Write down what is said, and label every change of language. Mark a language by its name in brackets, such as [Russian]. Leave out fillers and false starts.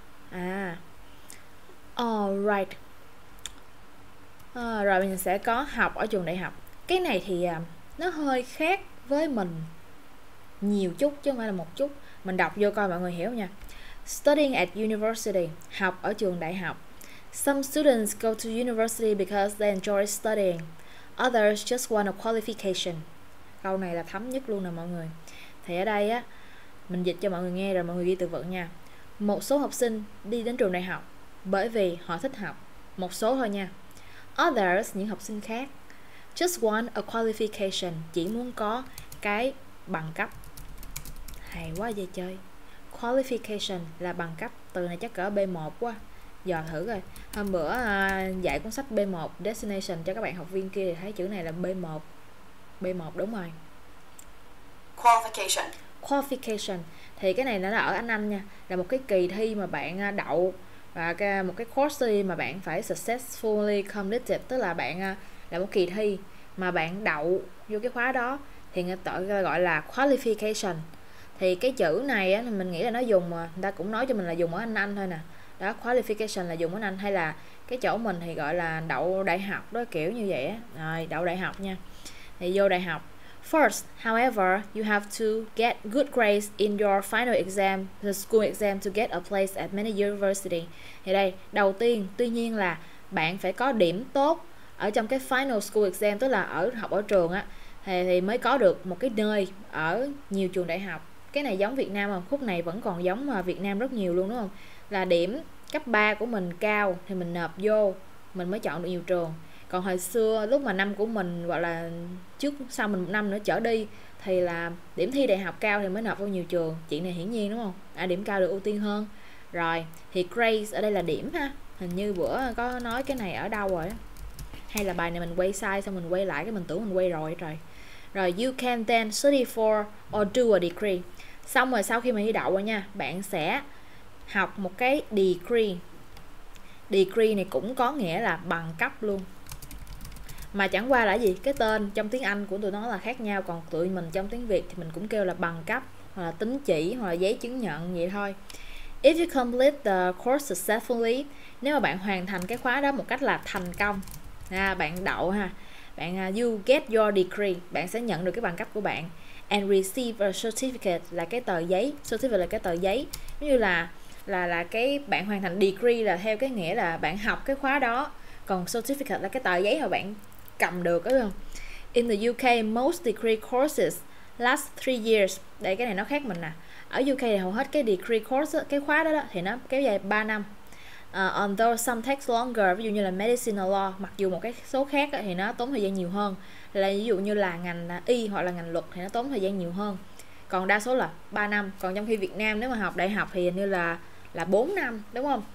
[Vietnamese] À, alright. À, rồi mình sẽ có học ở trường đại học. Cái này thì nó hơi khác với mình nhiều chút chứ không phải là một chút. Mình đọc vô coi mọi người hiểu nha. [English] Studying at university, [Vietnamese] học ở trường đại học. [English] Some students go to university because they enjoy studying. Others just want a qualification. [Vietnamese] Câu này là thấm nhất luôn nè mọi người. Thì ở đây á, mình dịch cho mọi người nghe rồi mọi người ghi từ vựng nha. Một số học sinh đi đến trường đại học bởi vì họ thích học. Một số thôi nha. Others, những học sinh khác, [English] just want a qualification, [Vietnamese] chỉ muốn có cái bằng cấp. Hay quá vậy chơi. Qualification là bằng cấp. Từ này chắc cỡ B1 quá. Dò thử coi. Hôm bữa dạy cuốn sách B1 Destination cho các bạn học viên kia thì thấy chữ này là B1. B1 đúng rồi. [English] Qualification. [Vietnamese] Qualification thì cái này nó là ở Anh nha, là một cái kỳ thi mà bạn đậu, và một cái course mà bạn phải [English] successfully completed, [Vietnamese] tức là bạn là một kỳ thi mà bạn đậu vô cái khóa đó thì người ta gọi là qualification. Thì cái chữ này mình nghĩ là nó dùng, mà người ta cũng nói cho mình là dùng ở Anh thôi nè. Đó, qualification là dùng ở Anh, hay là cái chỗ mình thì gọi là đậu đại học đó, kiểu như vậy á. Rồi, đậu đại học nha. Thì vô đại học. [English] First, however, you have to get good grades in your final exam, the school exam, to get a place at many university. [Vietnamese] Thì đây, đầu tiên, tuy nhiên là bạn phải có điểm tốt ở trong cái final school exam, tức là ở học ở trường á, thì mới có được một cái nơi ở nhiều trường đại học. Cái này giống Việt Nam mà khúc này vẫn còn giống Việt Nam rất nhiều luôn đúng không? Là điểm cấp 3 của mình cao thì mình nộp vô, mình mới chọn được nhiều trường. Còn hồi xưa lúc mà năm của mình gọi là trước sau mình một năm nữa trở đi thì là điểm thi đại học cao thì mới nộp vô nhiều trường, chuyện này hiển nhiên đúng không? À, điểm cao được ưu tiên hơn. Rồi thì grades ở đây là điểm ha, hình như bữa có nói cái này ở đâu rồi đó. Hay là bài này mình quay sai xong mình quay lại cái mình tưởng mình quay rồi. Trời. Rồi [English] you can then study for or do a degree. [Vietnamese] Xong rồi sau khi mình thi đậu rồi nha, bạn sẽ học một cái degree. Degree này cũng có nghĩa là bằng cấp luôn. Mà chẳng qua là gì, cái tên trong tiếng Anh của tụi nó là khác nhau, còn tụi mình trong tiếng Việt thì mình cũng kêu là bằng cấp hoặc là tín chỉ hoặc là giấy chứng nhận vậy thôi. [English] If you complete the course successfully, [Vietnamese] nếu mà bạn hoàn thành cái khóa đó một cách là thành công, à, bạn đậu ha, bạn [English] you get your degree, [Vietnamese] bạn sẽ nhận được cái bằng cấp của bạn [English] and receive a certificate [Vietnamese] là cái tờ giấy, certificate là cái tờ giấy, ví như là cái bạn hoàn thành degree là theo cái nghĩa là bạn học cái khóa đó, còn certificate là cái tờ giấy mà bạn cầm được đúng không? [English] In the UK, most degree courses last 3 years. [Vietnamese] Đây cái này nó khác mình nè. Ở UK thì hầu hết cái degree course, cái khóa đó, thì nó kéo dài 3 năm. [English] Although some takes longer, [Vietnamese] ví dụ như là medicine or law, mặc dù một cái số khác đó, thì nó tốn thời gian nhiều hơn. Là ví dụ như là ngành y hoặc là ngành luật thì nó tốn thời gian nhiều hơn. Còn đa số là 3 năm. Còn trong khi Việt Nam nếu mà học đại học thì hình như là 4 năm đúng không?